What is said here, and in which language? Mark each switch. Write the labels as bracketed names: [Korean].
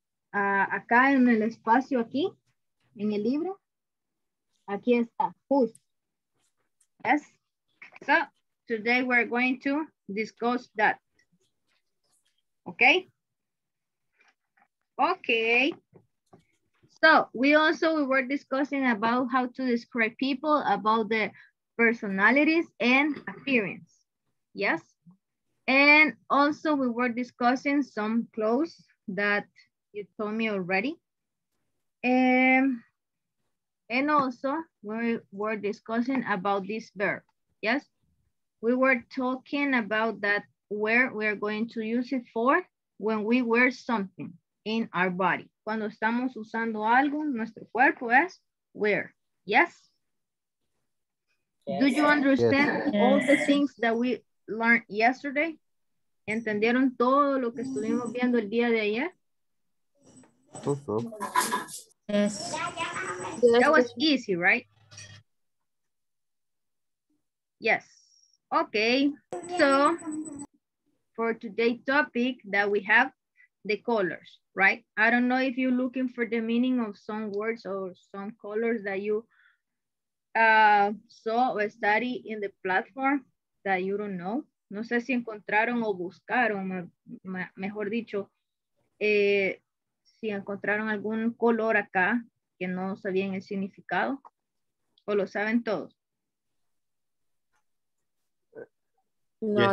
[Spanish] Acá en el espacio aquí, en el libro. Aquí está, whose. [English] Yes, so today we're going to discuss that. Okay? Okay. So we also were discussing about how to describe people, about the personalities and appearance. yes. And also we were discussing some clothes that you told me already. And also we were discussing about this verb, yes? We were talking about that where we are going to use it for when we wear something in our body. [Spanish] Cuando estamos usando algo, nuestro cuerpo es wear, yes? Yes. [English] Do you understand all the things that we learned yesterday? [Spanish] ¿Entendieron todo lo que estuvimos viendo el día de ayer? [English] Yes. That was easy, right? Yes. Okay. So, for today's topic that we have, the colors, right? I don't know if you're looking for the meaning of some words or some colors that you saw or study in the platform that you don't know. [Spanish] No sé si encontraron o buscaron, mejor dicho, si encontraron algún color acá que no sabían el significado, o lo saben todos. No,